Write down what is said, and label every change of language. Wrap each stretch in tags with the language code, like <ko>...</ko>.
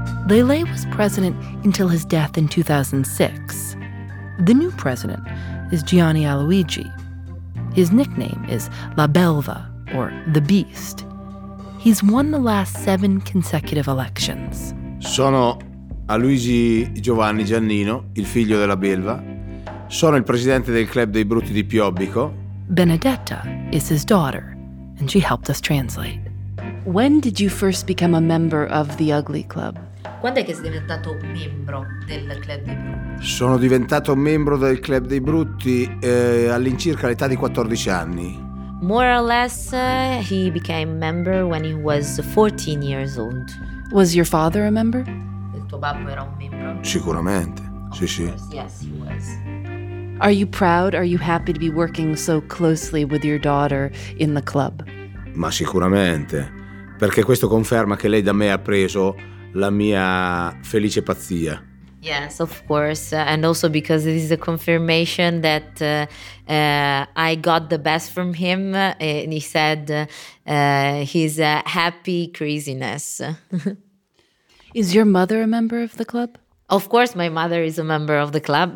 <en>Lele was president until his death in 2006. The new president is Gianni Aloigi. His nickname is La Belva, or the Beast. He's won the last 7 consecutive elections.</en> <it>Sono Aloigi Giovanni Giannino, il figlio della Belva. Sono il presidente del Club dei Brutti di Piobico.</it> <en>Benedetta is his daughter, and she helped us translate. When did you first become a member of the Ugly Club?</en> <it>Quando è che sei diventato membro del Club dei Brutti? Sono diventato membro del Club dei Brutti all'incirca all'età di 14 anni.</it> <en>More or less, he became member when he was 14 years old. Was your father a member?</en> <it>Il tuo babbo era un membro? Sicuramente, sì sì.</it> <en>Yes, he was. Are you proud? Are you happy to be working so closely with your daughter in the club?</en> <it>Ma sicuramente, perché questo conferma che lei da me ha preso la mia felice pazzia.</it> <en>Yes, of course, and also because this is a confirmation that I got the best from him, and he said he's a happy craziness. Is your mother a member of the club? Of course, my mother is a member of the club.</en>